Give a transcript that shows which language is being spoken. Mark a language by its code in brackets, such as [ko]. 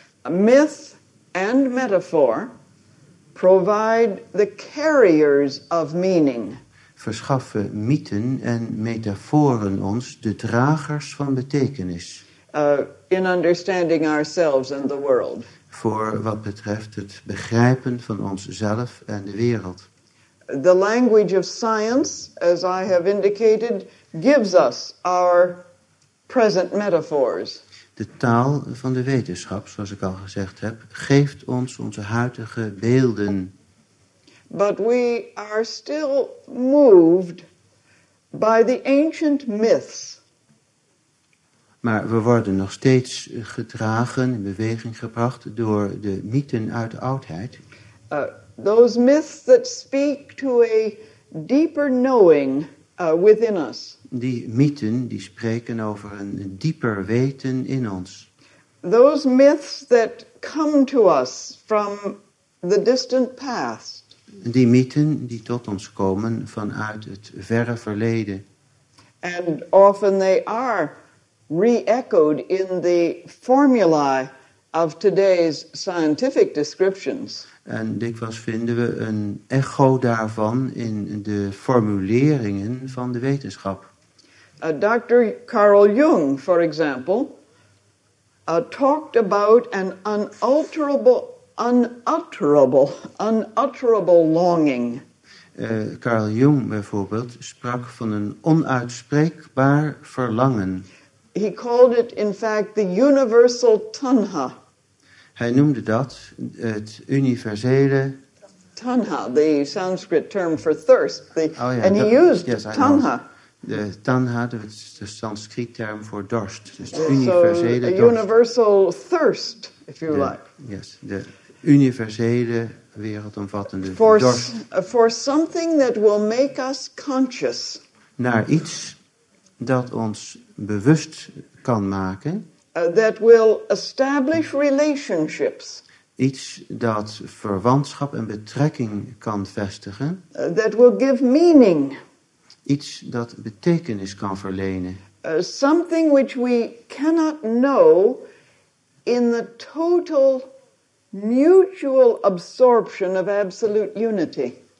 [en] myth and metaphor provide the carriers of meaning. [nl] Verschaffen mythen en metaforen ons de dragers van betekenis. [en] In understanding ourselves and the world. [nl] Voor wat betreft het begrijpen van onszelf en de wereld. [en] The language of science, as I have indicated, gives us our present metaphors. [nl] De taal van de wetenschap, zoals ik al gezegd heb, geeft ons onze huidige beelden. [en] But we are still moved by the ancient myths. [nl] Maar we worden nog steeds gedragen, in beweging gebracht door de mythen uit de oudheid. [en] Those myths that speak to a deeper knowing within us. [nl] Die mythen die spreken over een dieper weten in ons. [en] Those myths that come to us from the distant past. [nl] Die mythen die tot ons komen vanuit het verre verleden. [en] And often they are re-echoed in the formulae of today's scientific descriptions. [nl] En dikwijls vinden we een echo daarvan in de formuleringen van de wetenschap. [en] Dr. Carl Jung, for example, talked about an unutterable longing. [nl] Carl Jung bijvoorbeeld sprak van een onuitspreekbaar verlangen. [en] He called it in fact the universal tanha. [nl] Hij noemde dat het universele [en] tanha, the Sanskrit term for thirst. He used tanha. [nl] De tanha, dat is de Sanskriet term voor dorst. Dus de universele dorst. [en] A universal thirst, if you like. [nl] Yes, de universele wereldomvattende dorst. [en] For something that will make us conscious. [nl] Naar iets dat ons bewust kan maken. [en] That will establish relationships. [nl] Iets dat verwantschap en betrekking kan vestigen. [en] That will give meaning. [nl] Iets dat betekenis kan verlenen. [en] Something which we cannot know in the total mutual absorption of absolute unity.